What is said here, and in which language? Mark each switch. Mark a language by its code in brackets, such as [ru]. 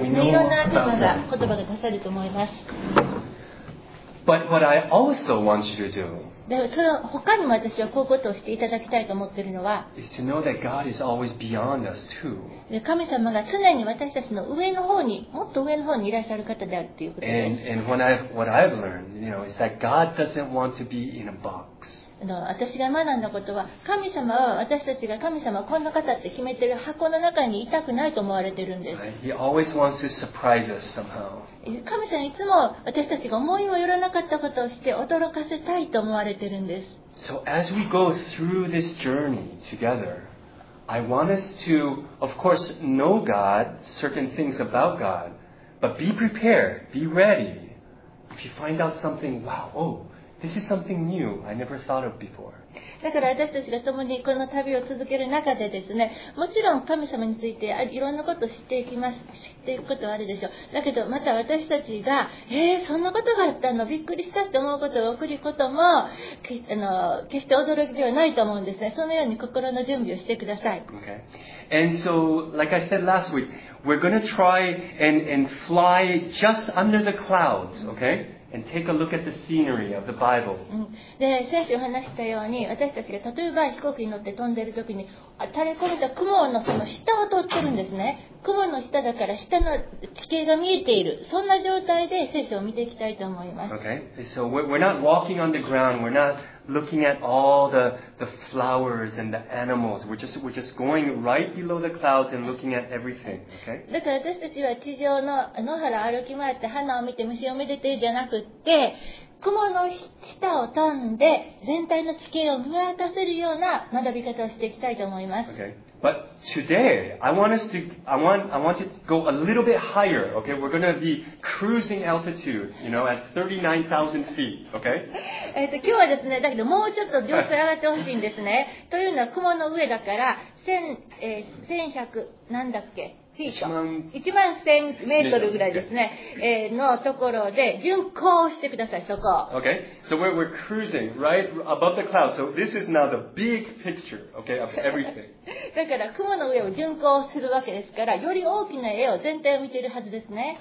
[en] We know. [ja] いろんな言葉が出せると思います。 [en] But what I also want you to do. [ja] でもその他にも私はこういうことをしていただきたいと思っているのは。 [en] Is to know that God is always beyond us too. [ja] 神様が常に私たちの上の方に、もっと上の方にいらっしゃる方であるということです。 [en] And what I've learned, you know, is that God doesn't want to be in a box. [ja] 私が学んだことは、神様は私たちが神様はこんな方って決めてる箱の中にいたくないと思われてるんです。 [en] He always wants to surprise us somehow. [ja] 神様いつも私たちが思いもよらなかったことをして驚かせたいと思われてるんです。 [en] So as we go through this journey together, I want us to, of course, know God, certain things about God, but be prepared, be ready. If you find out something, wow, oh, this is something new I never thought of before. [ja] だから私たちが共にこの旅を続ける中でですね、もちろん神様についていろんなことを知っていきます、知っていくことはあるでしょう。だけどまた私たちが、そんなことがあったの、びっくりしたって思うことが起こることも、決して驚きではないと思うんですね。そのように心の準備をしてください。 [en] Okay. And so, like I said last week, we're going to try and fly just under the clouds, okay? And take a look at the scenery of the Bible. [ja] で、先週話したように、私たちが例えば飛行機に乗って飛んでいるときに、垂れ込めた雲のその下を通ってるんですね。雲の下だから下の地形が見えている。そんな状態で聖書を見ていきたいと思います。 [en] Okay. So we're not walking on the ground. We're not looking at all the flowers and the animals. We're just going right below the clouds and looking at everything. Okay. [ja] だから私たちは地上の野原を歩き回って花を見て虫を見ててじゃなくて、雲の下を飛んで全体の地形を見渡せるような学び方をしていきたいと思います。 [en] Okay. But today, I want to go a little bit higher, okay? We're going to be cruising altitude, you know, at 39,000 feet, okay? [ja] 今日はですね、だけどもうちょっと上空上がってほしいんですね。というのは雲の上だから、1100、なんだっけ、フィート。 1万1000メートルぐらいですね、のところで巡航してください、そこ。 [en] Okay, so we're cruising right above the clouds. So this is now the big picture, okay, of everything. [ja] だから雲の上を巡航するわけですから、より大きな絵を全体を見ているはずですね。